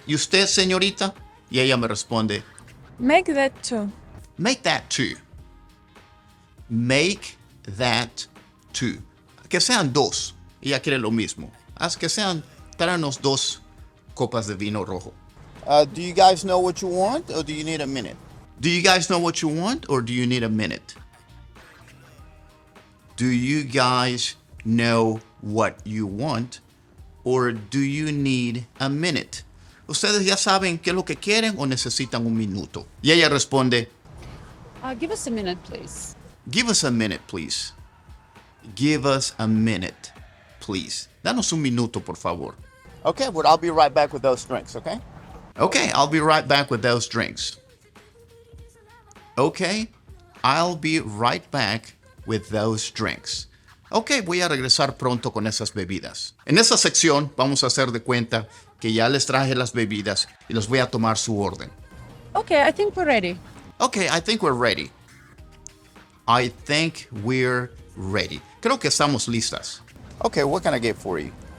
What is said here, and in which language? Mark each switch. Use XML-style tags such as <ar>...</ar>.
<es>¿Y usted, señorita? Y ella me responde,</es> <en>make that too. Make that too. Make that too.</en> <es>Que sean dos. Ella quiere lo mismo. Haz que sean, tráenos dos copas de vino rojo.</es> <en>Do you guys know what you want or do you need a minute? Do you guys know what you want or do you need a minute? Do you guys know what you want or do you need a minute?</en> <es>¿Ustedes ya saben qué es lo que quieren o necesitan un minuto? Y ella responde,</es> <en>give us a minute, please. Give us a minute, please. Give us a minute, please.</en> <es>Danos un minuto, por favor.</es> <en>Okay, well, I'll be right back with those drinks, okay? Okay, I'll be right back with those drinks. Okay, I'll be right back with those drinks.</en> <es>Okay, voy a regresar pronto con esas bebidas. En esa sección, vamos a hacer de cuenta que ya les traje las bebidas y los voy a tomar su orden.</es> <en>Okay, I think we're ready. Okay, I think we're ready. I think we're ready.</en> <es>Creo que estamos listas.</es> <en>Okay, what can I get for you?</en>